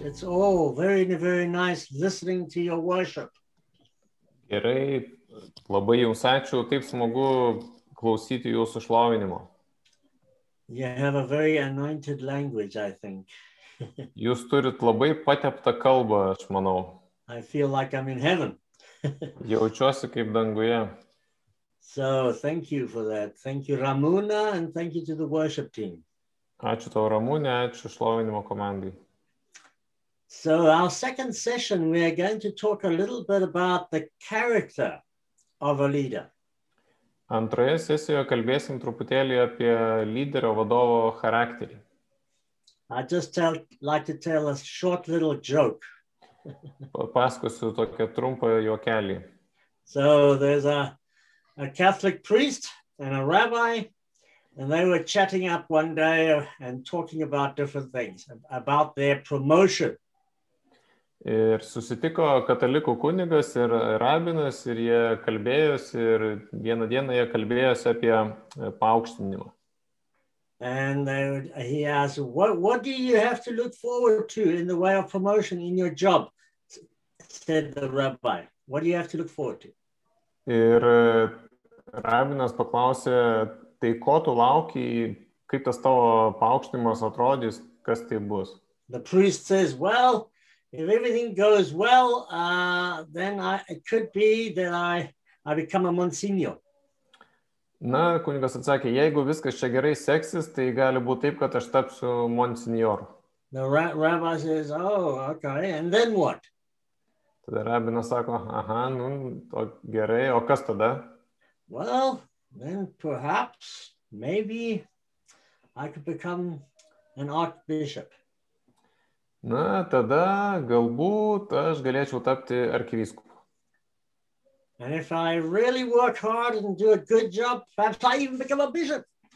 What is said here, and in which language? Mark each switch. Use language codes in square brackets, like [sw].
[en] It's all very, very nice listening to your worship. [lt] Gerai, labai jums ačiū. Taip smagu klausyti jūsų šlovinimo. [en] You have a very anointed language, I think. [lt] Jūs turit labai pateptą kalbą, aš manau. [en] I feel like I'm in heaven. [lt] Jaučiuosi kaip danguje. [en] So, thank you for that. Thank you, Ramūna, and thank you to the worship team. [lt] Ačiū tau, Ramūne, ačiū šlovinimo komandai. [en] So, our second session, we are going to talk a little bit about the character of a leader. [lt] Antroje sesijoje kalbėsim truputėlį apie lyderio vadovo charakterį. [en] I just like to tell a short little joke. [lt] Papasakosiu tokią trumpą juokelį. [en] So, there's a Catholic priest and a rabbi, and they were chatting up one day and talking about different things, about their promotion. [lt] Ir susitiko katalikų kunigas ir rabinas, ir jie kalbėjosi, ir vieną dieną jie kalbėjosi apie paaukštinimą. [en] And he asked, what do you have to look forward to in the way of promotion in your job? Said the rabbi, what do you have to look forward to? [lt] Ir rabinas paklausė, tai ko tu lauki, kaip tas tavo paaukštinimas atrodys, kas tai bus? [en] The priest says, well, if everything goes well, then it could be that I become a monsignor. [lt] Na, kunigas atsakė, jeigu viskas čia gerai seksis, tai gali būti taip, kad aš tapsiu monsignor. [en] The rabbi says, oh, okay, and then what? [lt] Tada rabinas sako, aha, nu, to gerai, o kas tada? [en] Well, then perhaps, maybe, I could become an archbishop. [lt] Na, tada galbūt aš galėčiau tapti arkivyskupu. [en] And if I really work hard and do a good job, perhaps I even become a bishop.